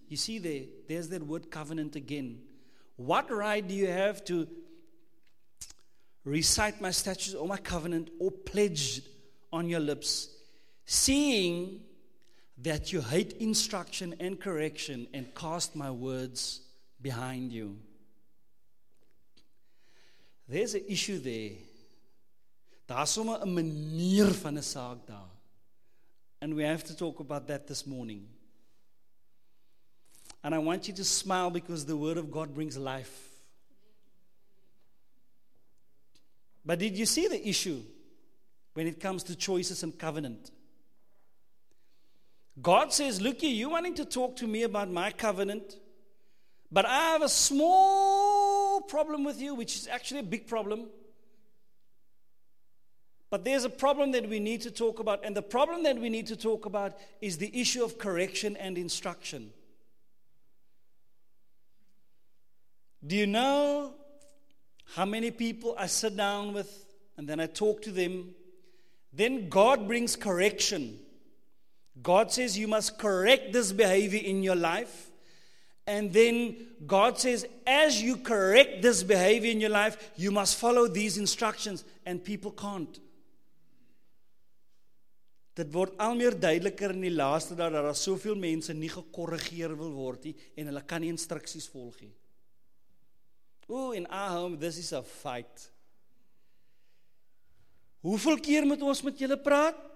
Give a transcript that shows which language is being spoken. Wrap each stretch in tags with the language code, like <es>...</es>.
<en>You see there, there's that word covenant again. What right do you have to recite my statutes or my covenant or pledge on your lips, seeing that you hate instruction and correction and cast my words behind you? There's an issue there.</en> <af>Daar sommer 'n manier van 'n saak daar.</af> <en>And we have to talk about that this morning. And I want you to smile because the word of God brings life. But did you see the issue when it comes to choices and covenant? God says, look, you wanting to talk to me about my covenant, but I have a small problem with you, which is actually a big problem. But there's a problem that we need to talk about, and the problem that we need to talk about is the issue of correction and instruction. Do you know how many people I sit down with and then I talk to them? Then God brings correction. God says you must correct this behavior in your life. And then God says as you correct this behavior in your life, you must follow these instructions. And people can't.</en> <af>Dit word al meer duideliker in die laaste dat daar soveel mense nie gekorrigeer wil word nie en hulle kan nie instruksies volg nie.</af> <en>Ooh, in our home, this is a fight.</en> <af>Hoeveel keer moet ons met julle praat?</af>